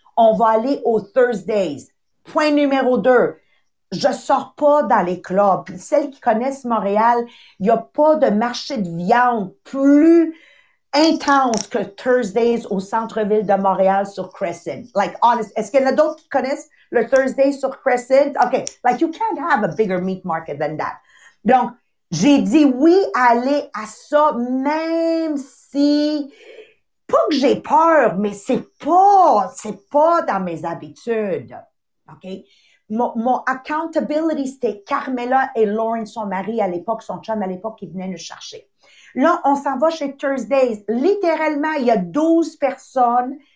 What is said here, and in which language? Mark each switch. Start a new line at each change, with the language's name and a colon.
French: On va aller au Thursdays. Point numéro 2, je sors pas dans les clubs. Puis celles qui connaissent Montréal, il n'y a pas de marché de viande plus intense que Thursdays au centre-ville de Montréal sur Crescent.
English: Like, honest,
French: est-ce qu'il y en a d'autres qui connaissent le Thursday sur Crescent?
English: OK, like, you can't have a bigger meat market than that.
French: Donc, j'ai dit oui à aller à ça, même si, pas que j'ai peur, mais c'est pas dans mes habitudes. OK? Mon accountability, c'était Carmela et Lauren, son mari à l'époque, son chum à l'époque, qui venaient nous chercher. Là, on s'en va chez Thursdays. Littéralement, il y a 12 personnes